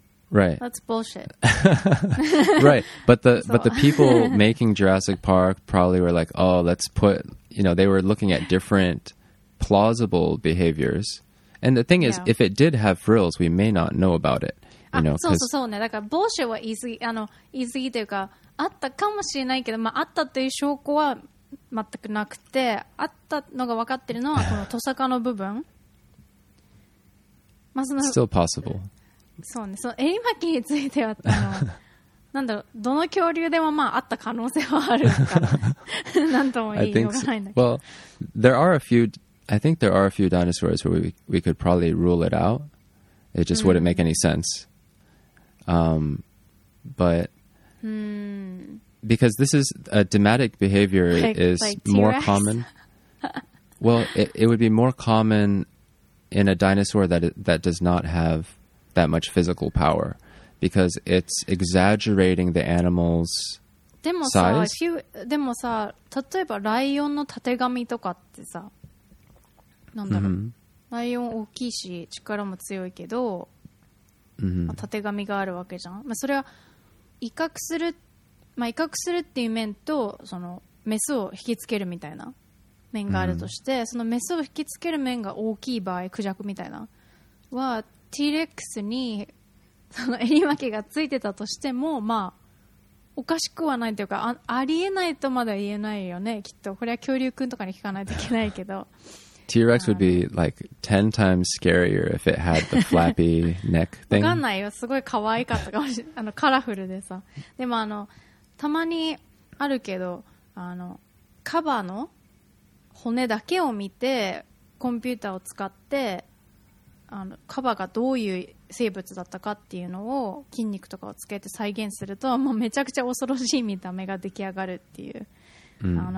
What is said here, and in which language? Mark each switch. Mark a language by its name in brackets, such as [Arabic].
[English] Right That's bullshit Right, but the people making Jurassic Park Probably were like, oh, let's put You know, they were looking at different Plausible behaviorsAnd the thing is,、yeah. if it did have frills, we may not know about it. You know, [Japanese] そうそうそうね。だから帽子は言い過ぎ、あの、言い過ぎというか、あったかもしれないけど、まあ、あったという証拠は全くなくて、あったのが分かってるのは、このトサカの部分。 [English] まあ、Still possible. [Japanese] そうね。その襟巻きについては、あの、なんだろう、どの恐竜でもまあ、あった可能性はあるから、なんとも言いようがないんだけど。 [English] Well, there are a few... I think there are a few dinosaurs where we could probably rule it out. It just、mm. wouldn't make any sense. But、 mm. because this is a dematic behavior like, is like more common. Well, it would be more common in a dinosaur that does not have that much physical power because it's exaggerating the animal's size. [Japanese] でもさ、例えばライオンのたてがみとかってさ、なんだろう、mm-hmm. ライオン大きいし力も強いけど、 mm-hmm. まあ、縦髪があるわけじゃん、まあ、それは威嚇する、まあ、威嚇するっていう面とそのメスを引きつけるみたいな面があるとして、mm-hmm. そのメスを引きつける面が大きい場合クジャクみたいなは T-Rex にその襟巻きがついてたとしてもまあおかしくはないというか ありえないとまだ言えないよねきっとこれは恐竜くんとかに聞かないといけないけど [English] T-Rex would be like 10 times scarier if it had the flappy neck thing. [Japanese] わかんないよ。すごい可愛かったかもしれない。あのカラフルでさ。でもあのたまにあるけど、あのカバの骨だけを見てコンピューターを使ってあのカバがどういう生物だったかっていうのを筋肉とかをつけて再現するともうめちゃくちゃ恐ろしい見た目が出来上がるっていう、mm.